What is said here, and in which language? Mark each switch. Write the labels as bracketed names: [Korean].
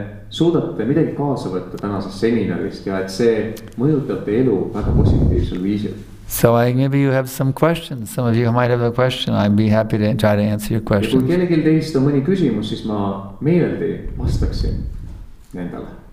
[Estonian] Suudate midagi kaasa võtta tänasest seminarist ja et see mõjutab teie elu väga positiivsel viisil. [English] So maybe you have some questions. Some of you might have a question. I'd be happy to try to answer your questions. [Estonian] Ja kui kellelgi teist on mõni küsimus, siis ma meeldi vastaksin nendele.